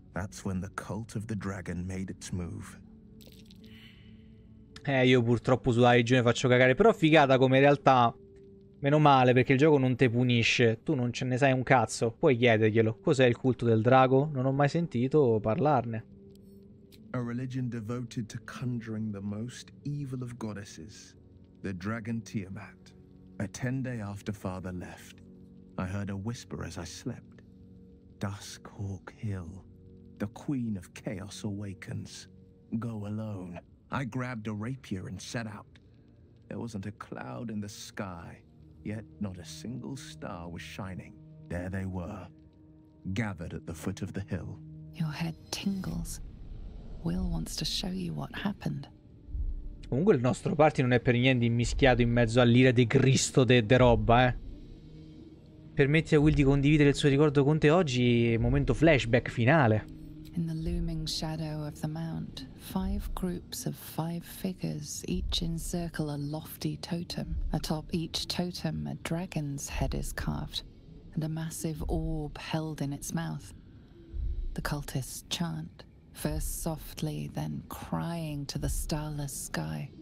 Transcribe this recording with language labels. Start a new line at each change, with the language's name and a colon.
English: That's when the cult of the dragon made its move.
Italian: Io purtroppo sulla regione faccio cagare, però figata come in realtà. Meno male, perché il gioco non te punisce. Tu non ce ne sai un cazzo. Puoi chiederglielo. Cos'è il culto del drago? Non ho mai sentito parlarne.
English: A religion devoted to conjuring the most evil of goddesses, the dragon Tiamat. A 10 day after father left, I heard a whisper as I slept. Duskhawk Hill. The queen of chaos awakens. Go alone. I grabbed a rapier and set out. There wasn't a cloud in the sky. Yet not a single star was shining. There they were, gathered at the foot of the hill. Your head tingles. Will wants to show you what happened.
Italian: Comunque il nostro party non è per niente immischiato in mezzo all'ira di Cristo de roba, eh. Permetti a Will di condividere il suo ricordo con te oggi, momento flashback finale.
English: In the looming shadow of the mount, five groups of five figures each encircle a lofty totem. Atop each totem, a dragon's head is carved, and a massive orb held in its mouth. The cultists chant, first softly, then crying to the starless sky.